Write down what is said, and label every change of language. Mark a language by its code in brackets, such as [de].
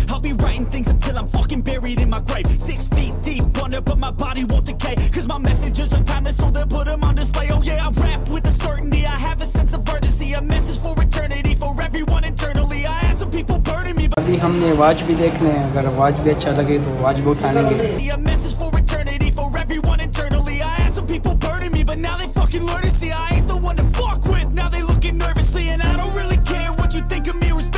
[en] I'll be writing things until I'm fucking buried in my grave. 6 feet deep under, but my body won't decay. Cause my messages are timeless, so they'll put them on display. Oh yeah, I rap with a certainty. I have a sense of urgency. A message for eternity, for everyone internally. I had some people burning me, but... [hi] अभी हमने watch भी देखने हैं. अगर watch भी अच्छा लगे तो वाच भी उठाएंगे. [en] A message for eternity, for everyone internally. I had some people burning me, but now they fucking learn to see. I ain't the one to fuck with. Now they looking nervously, and I don't really care what you think of me.